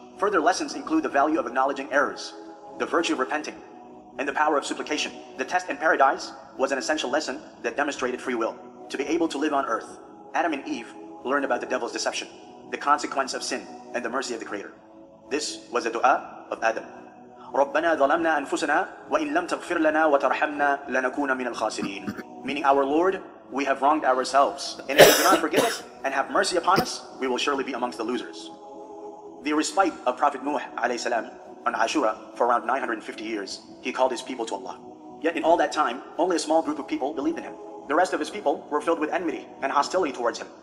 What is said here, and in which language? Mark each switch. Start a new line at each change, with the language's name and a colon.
English: Further lessons include the value of acknowledging errors, the virtue of repenting, and the power of supplication. The test in paradise was an essential lesson that demonstrated free will to be able to live on earth. Adam and Eve learned about the devil's deception, the consequence of sin, and the mercy of the Creator. This was the dua of Adam.
Arabic: رَبَّنَا ظَلَمْنَا أَنفُسَنَا وَإِنْ لَمْ تَغْفِرْ لَنَا وَتَرْحَمْنَا لَنَكُونَ مِنَ الْخَاسِرِينَ
English: Meaning, our Lord, we have wronged ourselves. And if you do not forgive us and have mercy upon us, we will surely be amongst the losers. The respite of Prophet Nuh alayhi salam on Ashura for around 950 years, he called his people to Allah. Yet in all that time, only a small group of people believed in him. The rest of his people were filled with enmity and hostility towards him.